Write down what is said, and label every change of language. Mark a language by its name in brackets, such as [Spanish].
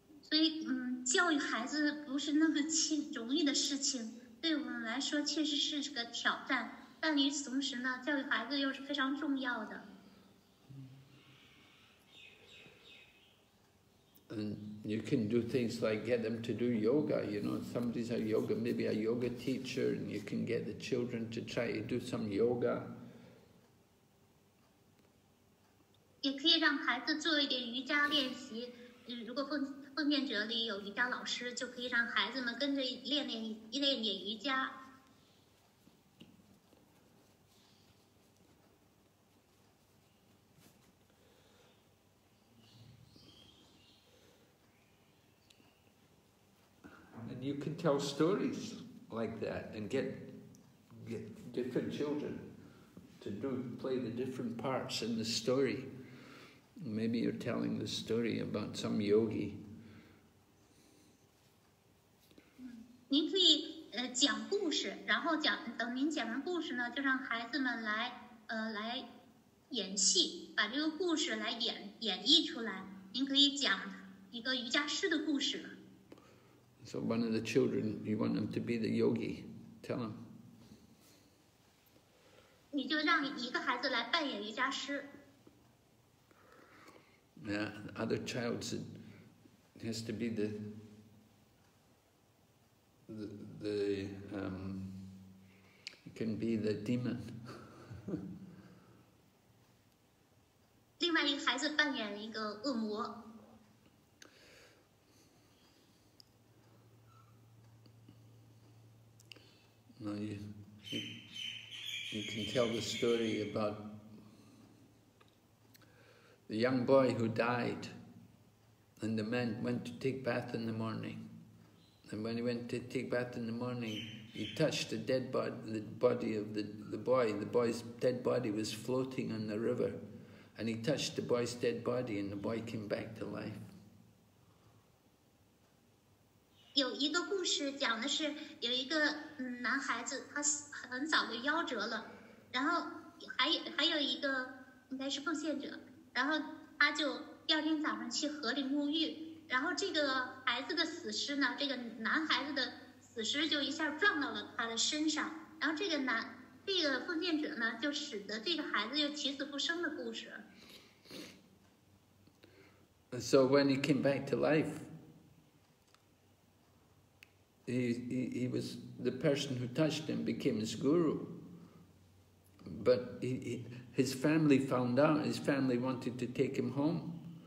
[Chinese] 所以，教育孩子不是那么容易的事情，对我们来说确实是个挑战。但与此同时呢，教育孩子又是非常重要的。 [English] And you can do things like get them to do yoga. You know, somebody's a yoga, maybe a yoga teacher, and you can get the children to try to do some yoga. [Chinese] 也可以让孩子做一点瑜伽练习。如果奉献者里有瑜伽老师，就可以让孩子们跟着练点瑜伽。 [English] And you can tell stories like that and get different children to play the different parts in the story. Maybe you're telling the story about some yogi. [Chinese] 您可以讲故事，然后等您讲完故事呢，就让孩子们来演戏，把这个故事来演绎出来。您可以讲一个瑜伽师的故事。 [English] So one of the children, you want them to be the yogi. Tell them. [Chinese] 你就让一个孩子来扮演瑜伽师。 [English] Yeah, the other child said, has to be it can be the demon. [Chinese] 另外一个孩子扮演一个恶魔。 [English] No, you can tell the story about. The young boy who died, and the man went to take bath in the morning. And when he went to take bath in the morning, he touched the dead body, the body of the boy. The boy's dead body was floating on the river. And he touched the boy's dead body, and the boy came back to life. [Chinese] 有一个故事讲的是有一个男孩子，他很早就夭折了，然后还有一个应该是奉献者。然后他就第二天早上去河里沐浴，然后这个孩子的死尸呢，这个男孩子的死尸就一下撞到了他的身上，然后这个奉献者呢，就使得这个孩子又起死不生的故事。 [English] So when he came back to life, he was the person who touched him became his guru, but His family found out, his family wanted to take him home.